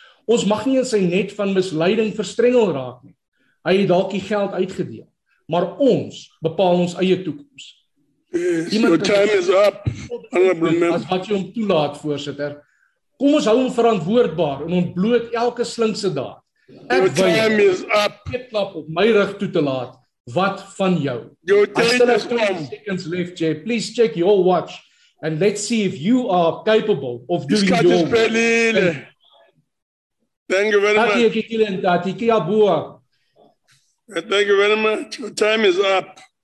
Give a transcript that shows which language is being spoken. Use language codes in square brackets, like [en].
[af] Ons mag nie in sy net van misleiding verstrengel raak nie. Hy het dalk die geld uitgedeel, maar ons bepaal ons eie toekoms. [en] Yes, your time is up, honorable member. [af] As wat jy hom toelaat, voorsitter. Kom ons hou hom verantwoordbaar en ontbloot elke slinkse daad. [en] Your time is up. [af] Ek klap op my rug toe te laat. Wat van jou? [en] Your time is up. 20 seconds left, Jay. Please check your watch and let's see if you are capable of doing your work. Thank you very much. Thank you very much. Thank you very much. Your time is up.